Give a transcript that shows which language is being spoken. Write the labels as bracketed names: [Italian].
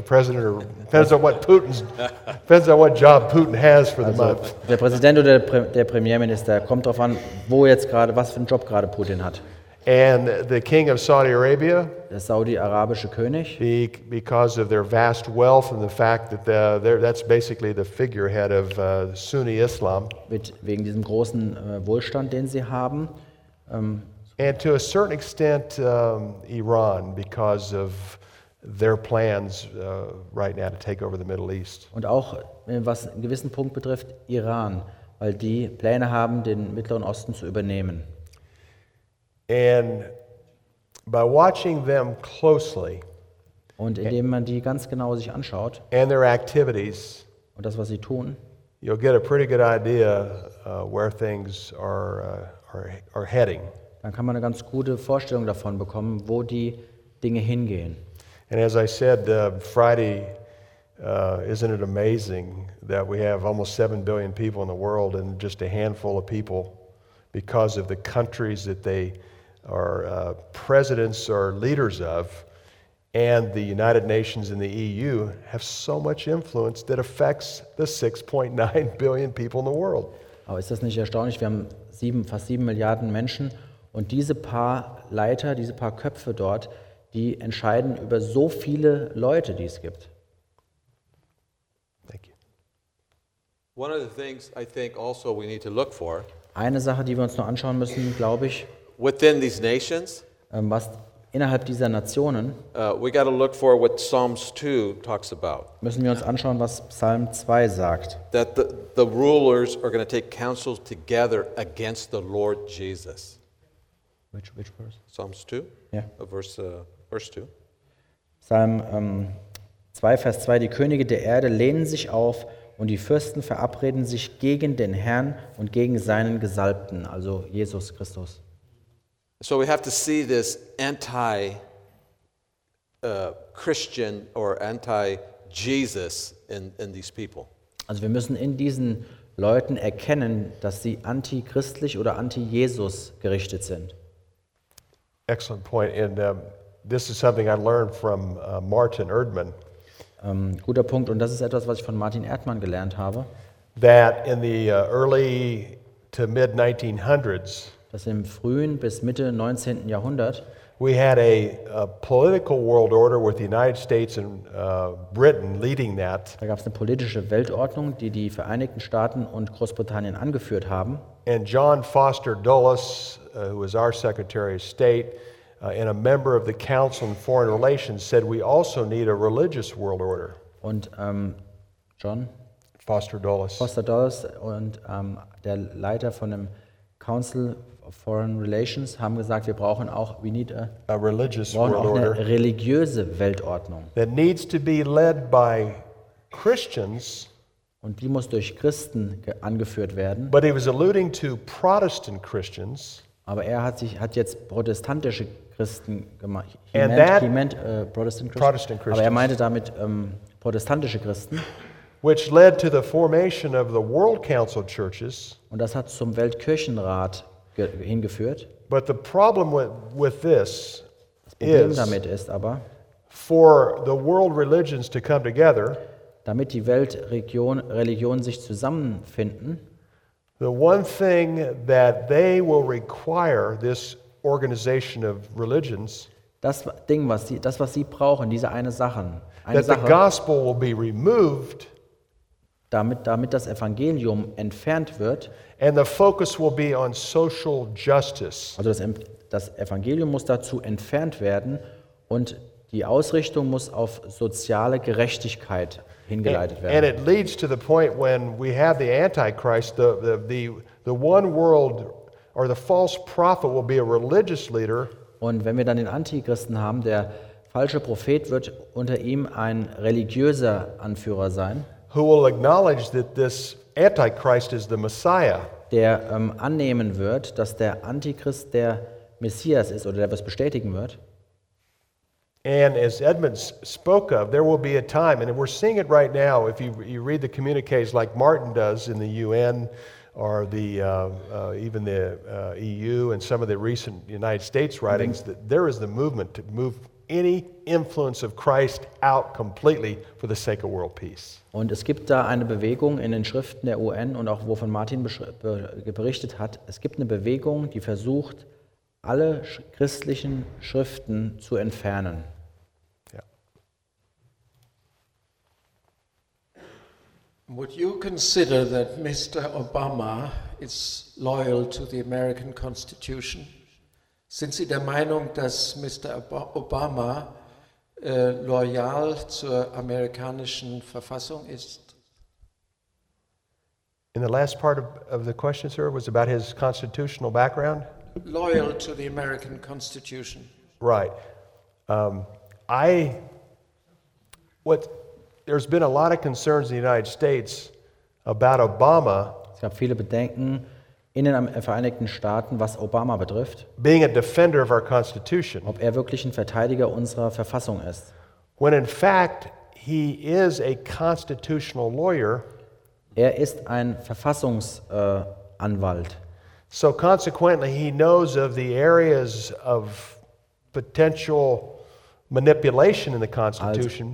[English] President of, depends on what job Putin has for the month. [German] Der Präsident oder der Premierminister kommt drauf an, wo jetzt gerade was für einen Job gerade Putin hat. [English] And the king of Saudi Arabia, [German] der saudi-arabische König, [English] because of their vast wealth and the fact that that's basically the figurehead of Sunni Islam, [German] wegen diesem großen Wohlstand, den sie haben, [English] and to a certain extent Iran, because of their plans right now to take over the Middle East, [German] und auch was einen gewissen Punkt betrifft Iran, weil die Pläne haben, den Mittleren Osten zu übernehmen. [English] And by watching them closely, [German] und indem man die ganz genau sich anschaut, [English] and their activities, [German] und das, was sie tun, [English] you'll get a pretty good idea where things are heading. [German] Dann kann man eine ganz gute Vorstellung davon bekommen, wo die Dinge hingehen. [English] And as I said, Friday, isn't it amazing that we have almost 7 billion people in the world and just a handful of people because of the countries that they are presidents or leaders of, and the United Nations and the EU have so much influence that affects the 6.9 billion people in the world. [German] Aber ist das nicht erstaunlich? Wir haben fast 7 Milliarden Menschen und diese paar Leiter, diese paar Köpfe dort, die entscheiden über so viele Leute, die es gibt. [English] Thank you. One of the things I think also we need to look for, eine Sache, die wir uns noch anschauen müssen, glaube ich, within these nations, was innerhalb dieser Nationen, we got to look for what Psalms 2 talks about. Müssen wir uns anschauen, was Psalm 2 sagt. That the rulers are going to take counsel together against the Lord Jesus. Which verse? Psalms 2? Yeah. Verse 2. [German] Psalm 2, Vers 2. Die Könige der Erde lehnen sich auf und die Fürsten verabreden sich gegen den Herrn und gegen seinen Gesalbten, also Jesus Christus. [English] So we have to see this anti Christian or anti Jesus in these people. [German] Also wir müssen in diesen Leuten erkennen, dass sie antichristlich oder anti Jesus gerichtet sind. [English] Excellent point. And this is something I learned from Martin Erdmann. [German] Guter Punkt, und das ist etwas, was ich von Martin Erdmann gelernt habe. [English] That in the early to mid 1900s, [German] dass im frühen bis Mitte 19. Jahrhundert, [English] we had a political world order with the United States and Britain leading that. [German] Da gab es eine politische Weltordnung, die die Vereinigten Staaten und Großbritannien angeführt haben. [English] And John Foster Dulles, who was our Secretary of State, and a member of the Council on Foreign Relations, said we also need a religious world order. [German] Und John Foster Dulles. Foster Dulles und der Leiter von dem Council of Foreign Relations haben gesagt, wir brauchen auch, [English] we need a religious world order. [German] Eine religiöse Weltordnung. [English] That needs to be led by Christians. [German] Und die muss durch Christen angeführt werden. [English] But he was alluding to Protestant Christians. [German] Aber er hat jetzt protestantische Christen gemeint. [English] He meant Protestant Christians. [German] Aber er meinte damit protestantische Christen. [English] Which led to the formation of the World Council Churches. [German] Und das hat zum Weltkirchenrat hingeführt. [English] But the problem with this [German] ist aber, [English] for the world religions to come together, [German] damit die Weltreligionen sich zusammenfinden, [English] the one thing that they will require, this organization of religions, [German] das Ding, was sie brauchen, diese eine Sache, [English] that the gospel will be removed, [German] damit das Evangelium entfernt wird, [English] and the focus will be on social justice. [German] Also das Evangelium muss dazu entfernt werden und die Ausrichtung muss auf soziale Gerechtigkeit hingeleitet werden. [English] And it leads to the point when we have the Antichrist, the one world or the false prophet will be a religious leader. [German] Und wenn wir dann den Antichristen haben, der falsche Prophet wird unter ihm ein religiöser Anführer sein. [English] Who will acknowledge that this Antichrist is the Messiah? [German] Der annehmen wird, dass der Antichrist der Messias ist oder der was bestätigen wird. [English] And as Edmunds spoke of, there will be a time, and we're seeing it right now. If you read the communiques like Martin does in the UN or the even the EU and some of the recent United States writings, that there is the movement to move any influence of Christ out completely for the sake of world peace. [German] Und es gibt da eine Bewegung in den Schriften der UN und auch wovon Martin berichtet hat. Es gibt eine Bewegung, die versucht, alle christlichen Schriften zu entfernen. [English] Yeah. Would you consider that Mr. Obama is loyal to the American Constitution? [German] Sind Sie der Meinung, dass Mr. Obama loyal zur amerikanischen Verfassung ist? [English] In the last part of the question, sir, was about his constitutional background. Loyal to the American Constitution. Right. There's been a lot of concerns in the United States about Obama. [German] Es gab viele Bedenken in den Vereinigten Staaten, was Obama betrifft. [English] Being a defender of our Constitution. [German] Ob er wirklich ein Verteidiger unserer Verfassung ist. [English] When in fact he is a constitutional lawyer. [German] Er ist ein Verfassungsanwalt. [English] So consequently, he knows of the areas of potential manipulation in the Constitution.